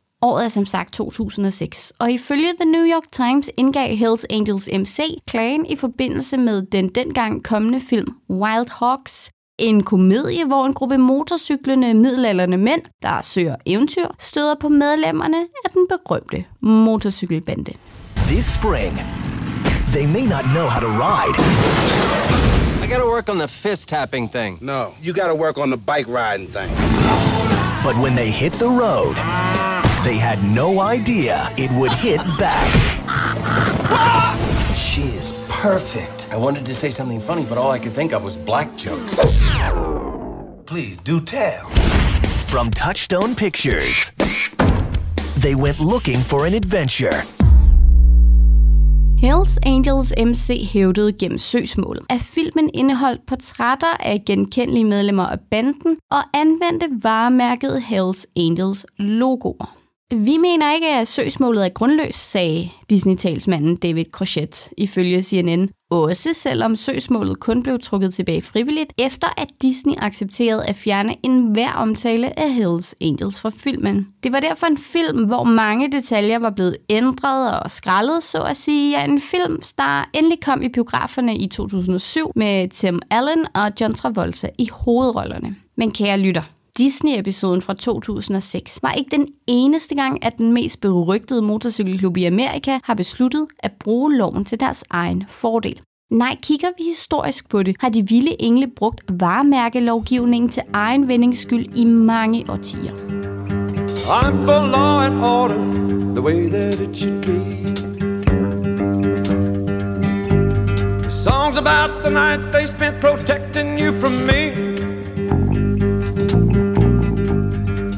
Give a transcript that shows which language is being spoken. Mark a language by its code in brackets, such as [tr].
[da] Året er som sagt 2006, og ifølge The New York Times indgav Hells Angels MC klagen i forbindelse med den dengang kommende film Wild Hogs. En komedie, hvor en gruppe motorcyklende middelalderne mænd, der søger eventyr, støder på medlemmerne af den berømte motorcykelbande. [en] This spring, they may not know how to ride. I gotta work on the fist tapping thing. No, you gotta work on the bike riding thing. But when they hit the road, they had no idea it would hit back. She is perfect. I wanted to say something funny, but all I could think of was black jokes. Please do tell. From Touchstone Pictures, they went looking for an adventure. [da] Hells Angels MC hævdede gennem søgsmål, at filmen indeholdt portrætter af genkendelige medlemmer af banden og anvendte varemærket Hells Angels logoer. Vi mener ikke, at søgsmålet er grundløst, sagde Disney-talsmanden David Crochet ifølge CNN. Også selvom søgsmålet kun blev trukket tilbage frivilligt, efter at Disney accepterede at fjerne enhver omtale af Hell's Angels fra filmen. Det var derfor en film, hvor mange detaljer var blevet ændret og skrællet, så at sige. Ja, en film, der endelig kom i biograferne i 2007 med Tim Allen og John Travolta i hovedrollerne. Men kære lytter, Disney-episoden fra 2006 var ikke den eneste gang, at den mest berygtede motorcykelklub i Amerika har besluttet at bruge loven til deres egen fordel. Nej, kigger vi historisk på det, har de vilde engle brugt varemærkelovgivningen til egen vindings skyld i mange årtier. [en] I'm for law and order, the way that it should be. The songs about the night they spent protecting you from me.